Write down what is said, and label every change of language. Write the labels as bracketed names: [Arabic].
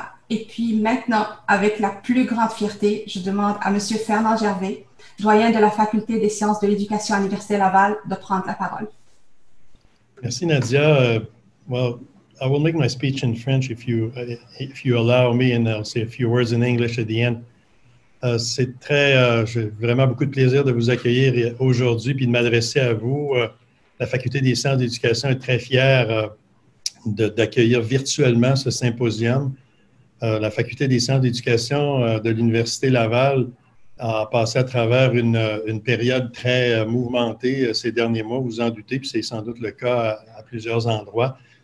[French] Et puis maintenant, avec la plus grande fierté, je demande à Monsieur Fernand Gervais, doyen de la Faculté des sciences de l'éducation à l'Université Laval, de prendre la parole. Merci Nadia. [English] I will make my speech in French if you allow me, and I'll say a few words in English at the end. [French] C'est très, j'ai vraiment beaucoup de plaisir de vous accueillir aujourd'hui puis de m'adresser à vous. La Faculté des sciences d'éducation est très fière d'accueillir virtuellement ce symposium. La Faculté des sciences d'éducation de l'Université Laval a passé à travers une période très mouvementée ces derniers mois, vous en doutez, puis c'est sans doute le cas à plusieurs endroits.